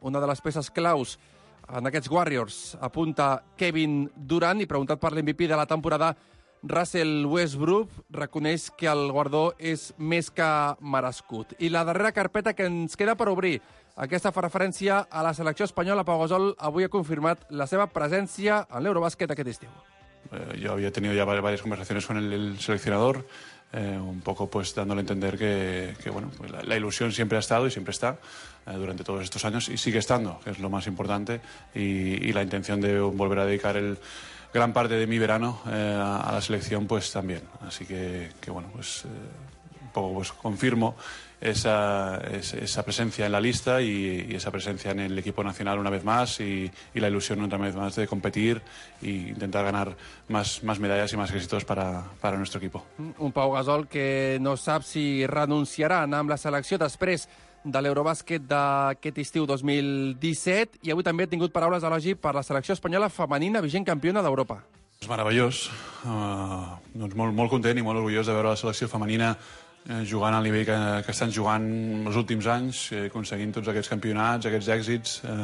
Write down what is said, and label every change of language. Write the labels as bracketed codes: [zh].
[ca] Una de les peces claus en aquests Warriors apunta Kevin Durant, i preguntat per l'MVP de la temporada, Russell Westbrook reconeix que el guardó és més que merescut. I la darrera carpeta que ens queda per obrir, aquesta fa referència a la selecció espanyola. Pau Gasol avui ha confirmat la seva presència en l'Eurobàsquet aquest estiu. [es] Yo había tenido ya varias conversaciones con el seleccionador, un poco pues dándole a entender que bueno, pues la ilusión siempre ha estado y siempre está durante todos estos años y sigue estando, que es lo más importante, y la intención de volver a dedicar el gran parte de mi verano a la selección pues también. Así que bueno, pues un poco pues confirmo esa presencia en la lista y esa presencia en el equipo nacional una vez más y la ilusión otra vez más de competir e intentar ganar más medallas y más éxitos para nuestro equipo. [ca] Un Pau Gasol que no sap si renunciarà a anar amb la selecció després de l'Eurobàsquet d'aquest estiu 2017, i avui també ha tingut paraules d'elogi per la selecció espanyola femenina vigent campiona d'Europa. És meravellós, doncs molt, molt content i molt orgullós de veure la selecció femenina jugant al nivell que estan jugant els últims anys, aconseguint tots aquests campionats, aquests èxits.